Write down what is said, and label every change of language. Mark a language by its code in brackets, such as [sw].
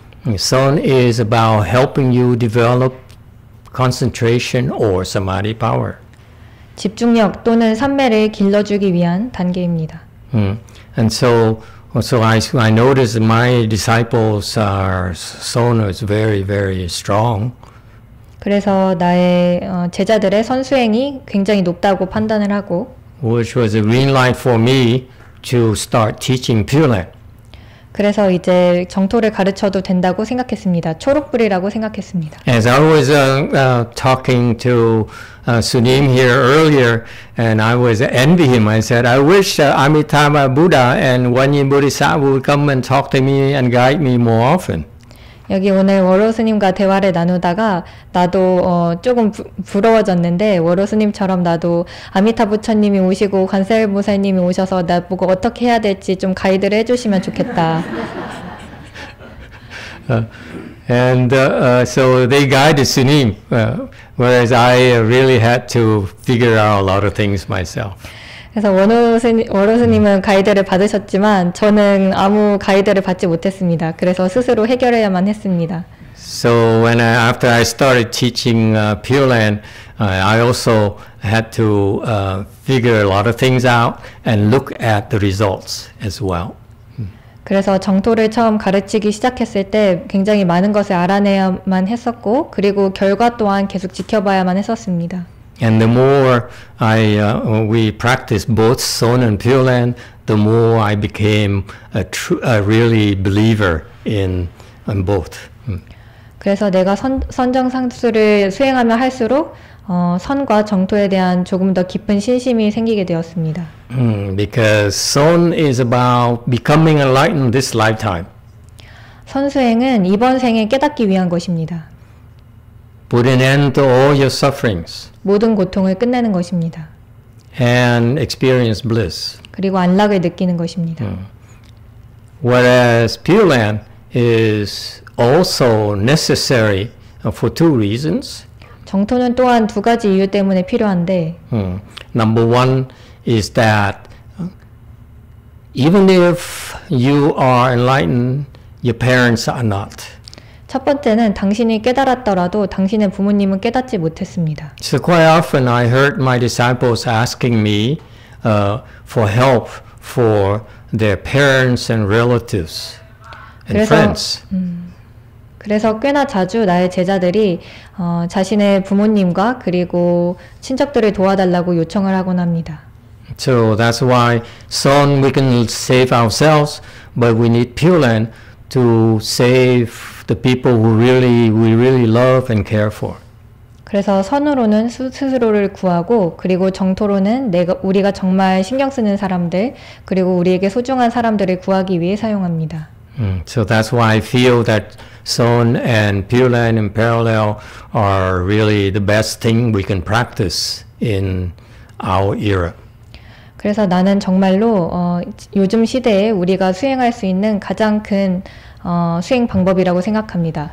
[en] Son is about helping you develop concentration or samadhi power. [ko] 집중력 또는 삼매를 길러주기 위한 단계입니다. [en] And so I noticed my disciples are Son is very, very strong. [ko] 그래서 나의 제자들의 선수행이 굉장히 높다고 판단을 하고 [en] Which was a green light for me to start teaching Pure Land. [ko] 그래서 이제 정토를 가르쳐도 된다고 생각했습니다. 초록불이라고 생각했습니다. [en] As I was talking to Sunim here earlier, and I was envying him. I said, I wish Amitabha Buddha and Wanyin Bodhisattva would come and talk to me and guide me more often. [ko] 여기 오늘 워로 스님과 대화를 나누다가 나도 조금 부러워졌는데 워로 스님처럼 나도 아미타 부처님이 오시고 관세일 보살님이 오셔서 나 보고 어떻게 해야 될지 좀 가이드를 해주시면 좋겠다. [en] So they guide the Sunim, whereas I really had to figure out a lot of things myself. [ko] 그래서 워로 스님은 가이드를 받으셨지만 저는 아무 가이드를 받지 못했습니다. 그래서 스스로 해결해야만 했습니다. [en] So when after I started teaching Pure Land, I also had to figure a lot of things out and look at the results as well. [ko] 그래서 정토를 처음 가르치기 시작했을 때 굉장히 많은 것을 알아내야만 했었고 그리고 결과 또한 계속 지켜봐야만 했었습니다. [en] And the more we practice both Son and Pure Land, the more I became a really believer in both. [ko] 그래서 내가 선정상수를 수행하며 할수록 선과 정토에 대한 조금 더 깊은 신심이 생기게 되었습니다. [en] Because Son is about becoming enlightened this lifetime. [ko] 선수행은 이번 생에 깨닫기 위한 것입니다. [en] Put an end to all your sufferings. [ko] 모든 고통을 끝내는 것입니다. [en] And experience bliss. [ko] 그리고 안락을 느끼는 것입니다. [en] Whereas Pure Land is also necessary for two reasons. [ko] 정토는 또한 두 가지 이유 때문에 필요한데. [en] Number one is that even if you are enlightened, your parents are not. [ko] 첫 번째는 당신이 깨달았더라도 당신의 부모님은 깨닫지 못했습니다. [en] So quite often I heard my disciples asking me for help for their parents and relatives and [ko] 그래서, [en] friends. [ko] 그래서 꽤나 자주 나의 제자들이 자신의 부모님과 그리고 친척들을 도와달라고 요청을 하곤 합니다. [en] So that's why Son we can save ourselves, but we need Pure Land to save the people who really we really love and care for. [ko] 그래서 선으로는 스스로를 구하고 그리고 정토로는 내가 우리가 정말 신경 쓰는 사람들 그리고 우리에게 소중한 사람들을 구하기 위해 사용합니다. [en] So that's why I feel that Son and Pure Land in parallel are really the best thing we can practice in our era. [ko] 그래서 나는 정말로 요즘 시대에 우리가 수행할 수 있는 가장 큰 수행 방법이라고 생각합니다.